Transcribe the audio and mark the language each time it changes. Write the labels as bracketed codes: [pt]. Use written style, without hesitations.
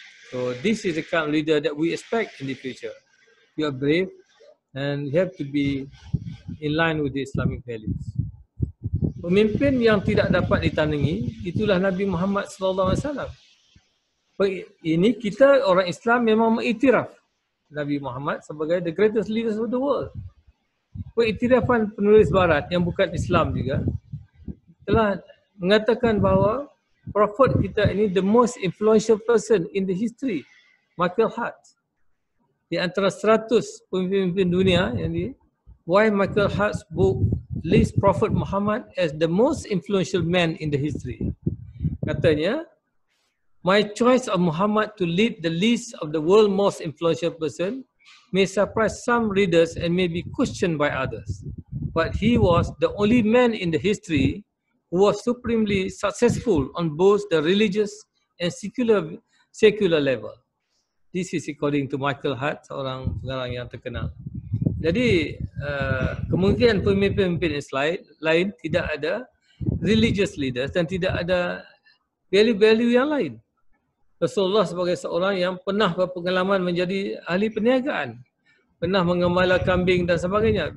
[en] So this is the kind of leader that we expect in the future. You are brave and you have to be in line with the Islamic values. [ms] Pemimpin yang tidak dapat ditandingi, itulah Nabi Muhammad SAW. Ini kita orang Islam memang mengiktiraf Nabi Muhammad sebagai [en] the greatest leader of the world. [ms] Pengiktirafan penulis barat yang bukan Islam juga telah mengatakan bahawa prophet kita ini [en] the most influential person in the history, [ms] Michael Hart. Di antara 100 pemimpin dunia, yang ini, [en] why Michael Hart's book lists Prophet Muhammad as the most influential man in the history. Katanya, my choice of Muhammad to lead the list of the world's most influential person may surprise some readers and may be questioned by others. But he was the only man in the history who was supremely successful on both the religious and secular level. This is according to Michael Hart, [ms] seorang pengarang yang terkenal. Jadi, kemungkinan pemimpin-pemimpin Islam lain tidak ada [en] religious leaders [ms] dan tidak ada value-value yang lain. Rasulullah sebagai seorang yang pernah berpengalaman menjadi ahli perniagaan, pernah mengembala kambing dan sebagainya.